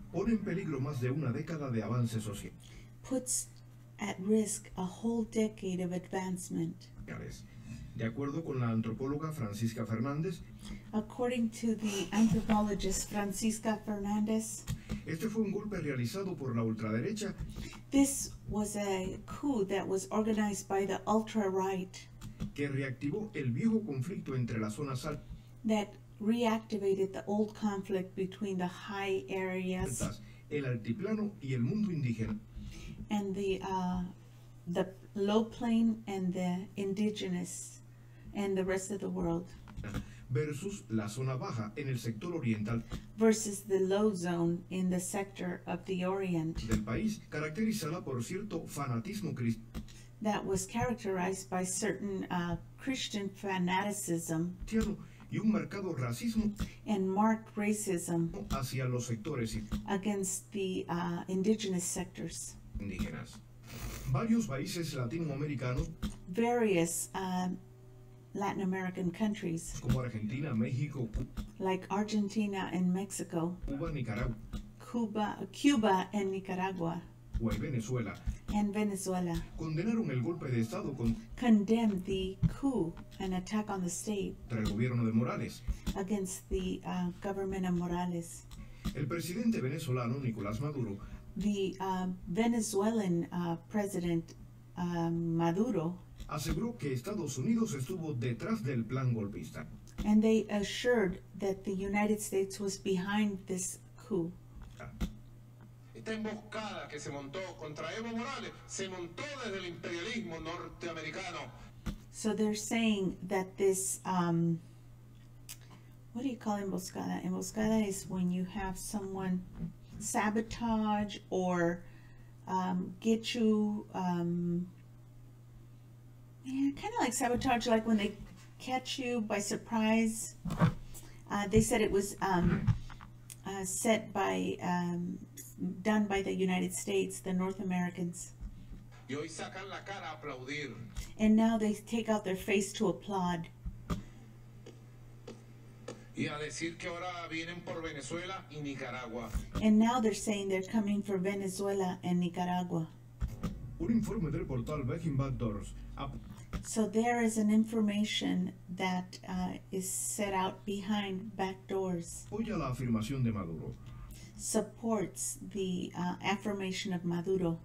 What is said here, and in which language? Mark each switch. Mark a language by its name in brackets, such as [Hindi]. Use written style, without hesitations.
[Spanish] Pone en peligro más de una década de avance social. [English] Puts at risk a whole decade of advancement. [Spanish] De acuerdo con la antropóloga Francisca Fernández. [English] According to the anthropologist Francisca Fernández. [Spanish] Este fue un golpe realizado por la ultraderecha. [English] This was a coup that was organized by the ultra-right. [Spanish] Que reactivó el viejo conflicto entre las zonas altas. [English] That reactivated the old conflict between the high areas. [Spanish] El altiplano y el mundo indígena. [English] And the low plain and the indigenous and the rest of the world [Spanish] versus la zona baja en el sector oriental [English] versus the low zone in the sector of the orient [Spanish] del país, caracterizada por cierto fanatismo [English] that was characterized by certain Christian fanaticism [Spanish] y un marcado racismo [English] and marked racism [Spanish] hacia los sectores [English] against the indigenous sectors [Spanish] indígenas. Varios países latinoamericanos, [English] various Latin American countries, [Spanish] como Argentina, México, [English] like Argentina and Mexico, [Spanish] Cuba, Nicaragua, [English] Cuba and Nicaragua, [Spanish] y Venezuela, [English] and Venezuela, [Spanish] condenaron el golpe de estado con, [English] condemned the coup, an attack on the state, [Spanish] contra el gobierno de Morales, [English] against the government of Morales. [Spanish] El presidente venezolano Nicolás Maduro. [English] The Venezuelan president Maduro [Spanish] aseguró que Estados Unidos estuvo detrás del plan golpista. [English] And they assured that the United States was behind this coup. [Spanish] esta emboscada que se montó contra Evo Morales se montó desde el imperialismo norteamericano. [English] So they're saying that this, what do you call emboscada? Emboscada is when you have someone sabotage or get you, yeah, kind of like sabotage, like when they catch you by surprise. They said it was done by the United States, the North Americans. [Spanish] Y hoy sacan la cara a aplaudir. [English] And now they take out their face to applaud. [Spanish] Y a decir que ahora vienen por Venezuela y Nicaragua. [English] And now they're saying they're coming for Venezuela and Nicaragua. [Spanish] Un informe del portal Beijing Backdoors. [English] So there is an information that is set out behind back doors. [Spanish] Apoya la afirmación de Maduro. [English] Supports the affirmation of Maduro.